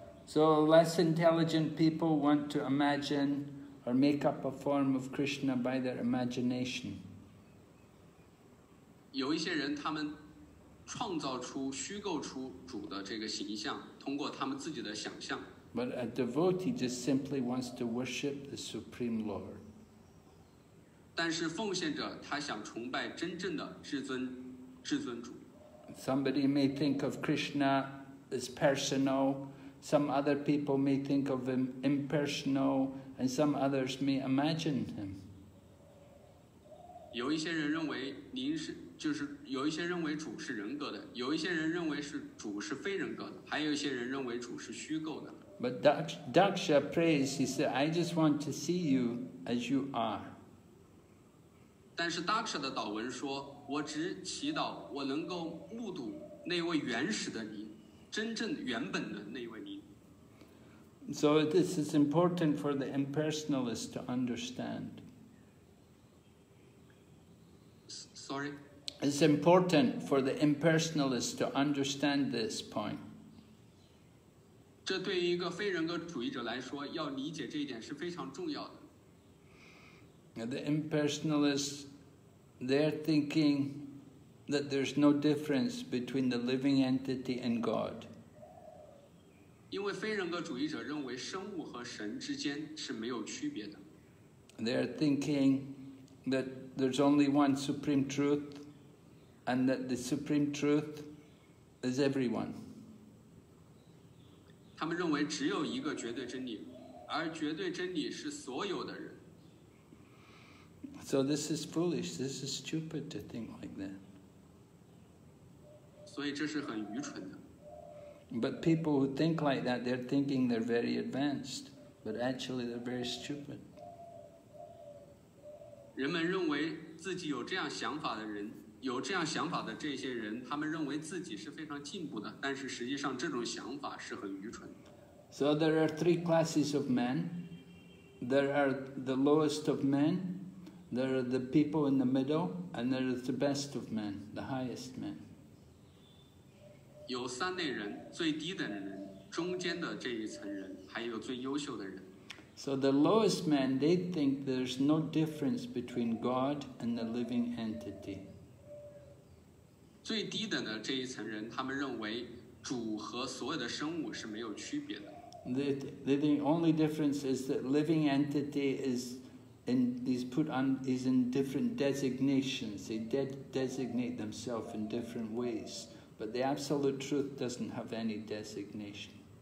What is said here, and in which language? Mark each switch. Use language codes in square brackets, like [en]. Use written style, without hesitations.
[en] So less intelligent people want to imagine or make up a form of Krishna by their imagination. [zh] 有一些人他们创造出虚构出主的这个形象，通过他们自己的想象。 [en] But a devotee just simply wants to worship the Supreme Lord. [zh] 但是奉献者他想崇拜真正的至尊主。 [en] Somebody may think of Krishna as personal, some other people may think of him impersonal, and some others may imagine him. [zh] 有一些人认为您是，就是有一些认为主是人格的，有一些人认为是主是非人格的，还有一些人认为主是虚构的。 [en] But Daksha prays, he said, I just want to see you as you are. [zh] 但是 Daksha 的祷文说我只祈祷我能够目睹那位原始的您，真正原本的那位您。 [en] So this is important for the impersonalist to understand. Sorry. It's important for the impersonalist to understand this point. [zh] 这对于一个非人格主义者来说，要理解这一点是非常重要的。 [en] The impersonalist. They're thinking that there's no difference between the living entity and God. They're thinking that there's only one Supreme Truth and that the Supreme Truth is everyone. [zh] 他们认为只有一个绝对真理，而绝对真理是所有的人。 [en] So this is foolish, this is stupid to think like that. [zh] 所以这是很愚蠢的。 [en] But people who think like that, they're thinking they're very advanced, but actually they're very stupid. [zh] 人们认为自己有这样想法的人，有这样想法的这些人，他们认为自己是非常进步的，但是实际上这种想法是很愚蠢的。 [en] So there are three classes of men. There are the lowest of men, there are the people in the middle, and there is the best of men, the highest men. [zh] 有三类人，最低的人，中间的这一层人，还有最优秀的人。 [en] So the lowest men, they think there's no difference between God and the living entity. [zh] 最低的呢，这一层人，他们认为主和所有的生物是没有区别的。 [en] The only difference is that living entity is in different designations. They designate themselves in different ways. But the absolute truth doesn't have any designation.